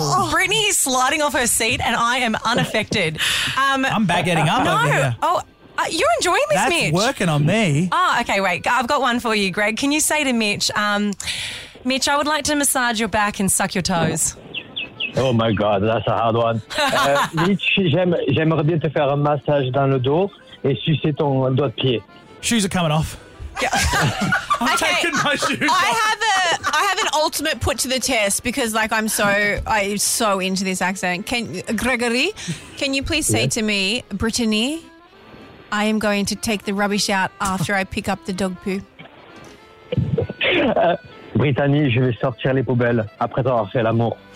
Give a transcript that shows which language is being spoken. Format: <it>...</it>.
<en>Brittany is sliding off her seat and I am unaffected. I'm baguetting up over here. You're enjoying this, That's Mitch. That's working on me. Oh, okay, wait. I've got one for you, Greg. Can you say to Mitch... Mitch, I would like to massage your back and suck your toes. Oh my God, that's a hard one.</en> <fr>Mitch, j'aimerais bien te faire un massage dans le dos et sucer ton doigt de pied.</fr> <en>Shoes are coming off. I'm okay. Taking my shoes off. I have an ultimate put to the test because, like, I'm so into this accent. Can you please say to me, Brittany, I am going to take the rubbish out after I pick up the dog poo.</en> <fr>Brittany, je vais sortir les poubelles après avoir fait l'amour.</fr>